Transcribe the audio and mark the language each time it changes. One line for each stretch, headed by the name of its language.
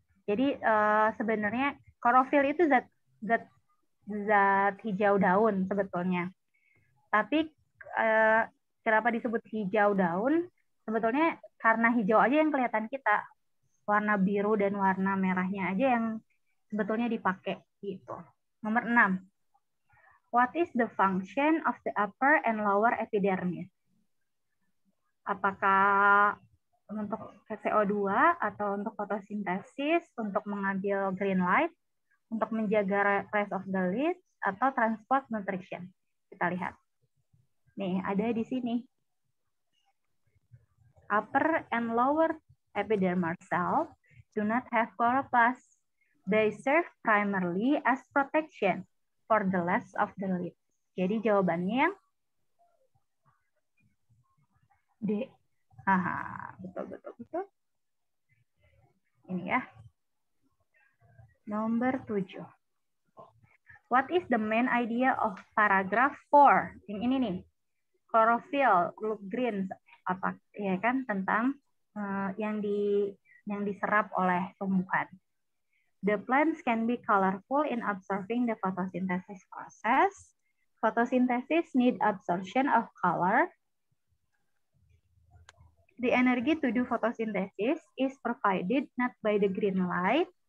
Indonesian: Jadi sebenarnya klorofil itu zat hijau daun sebetulnya. Tapi kenapa disebut hijau daun? Sebetulnya karena hijau aja yang kelihatan kita. Warna biru dan warna merahnya aja yang sebetulnya dipakai gitu. Nomor 6.
English: What is the function of the upper and lower epidermis?
Indonesian: Apakah untuk CO2 atau untuk fotosintesis, untuk mengambil green light, untuk menjaga
English: rest of the leaves,
Indonesian: atau transport nutrition. Kita lihat. Nih, ada di sini.
English: Upper and lower epidermal cells do not have chloroplasts. They serve primarily as protection for the rest of the leaves.
Indonesian: Jadi jawabannya yang D. Aha, betul. Ini ya. Nomor 7.
English: What is the main idea of paragraph 4?
Indonesian: Yang ini nih.
English: Chlorophyll look green
Indonesian: apa ya kan tentang yang diserap oleh tumbuhan.
English: The plants can be colorful in absorbing the photosynthesis process. Photosynthesis need absorption of color. The energy to do photosynthesis is provided not by the green light.